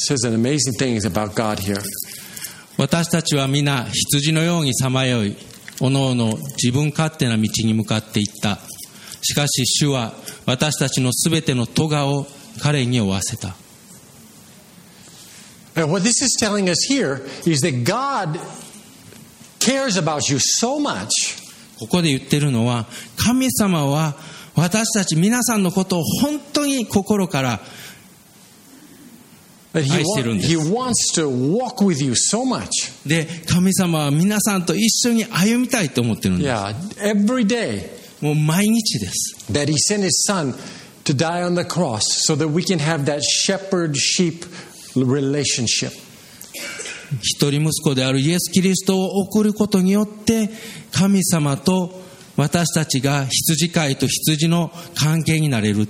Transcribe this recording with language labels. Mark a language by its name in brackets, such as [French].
[English] Says an amazing thing about God here. [Japanese] 私たちは皆羊のようにさまよい。おのおの自分勝手な道に向かっていった。しかし主は私たちのすべての咎を彼に負わせた。 [English] What this is telling us here is that God cares about you so much. [Japanese] ここで言ってるのは神様は私たち皆さんのことを本当に心から愛してるんです。 [English] He wants to walk with you so much. [Japanese] で、神様は皆さんと一緒に歩みたいと思ってるんです。 [English] Yeah, every day. [Japanese] もう毎日です。 [English] That he sent his son to die on the cross so that we can have that shepherd sheep relationship. [Japanese] 一人息子であるイエス・キリストを送ることによって、神様と私たちが羊飼いと羊の関係になれる。